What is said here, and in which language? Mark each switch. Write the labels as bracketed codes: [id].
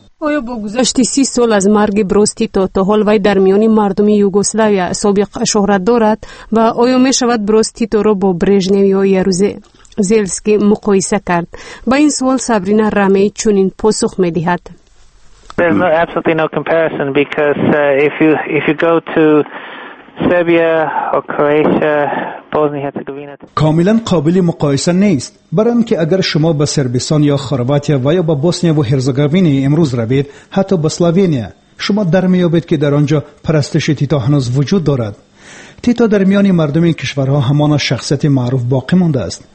[fa] آیا با گذشت 30 سال از مرگ بروز تیتو تا حال وی در میان مردم یوگسلاوی سابق شهرت دارد و آیا می شود بروز تیتو را با بریژنی یا یاروزلسکی مقایسه کرد؟ با این سوال سابرینا رمی چنین پاسخ می دهد. [en] There's no, absolutely no comparison because if you go to Serbia or Croatia, [fa] کاملا قابل مقایسه نیست، برام که اگر شما به سربستان یا خرواتیا و یا به بوسنیا و هرزگوین امروز روید، حتی به اسلوونیا، شما در میابید که در آنجا پرستش تیتو هنوز وجود دارد. تیتو در میان مردم این کشورها همان شخصیت معروف باقی مانده است.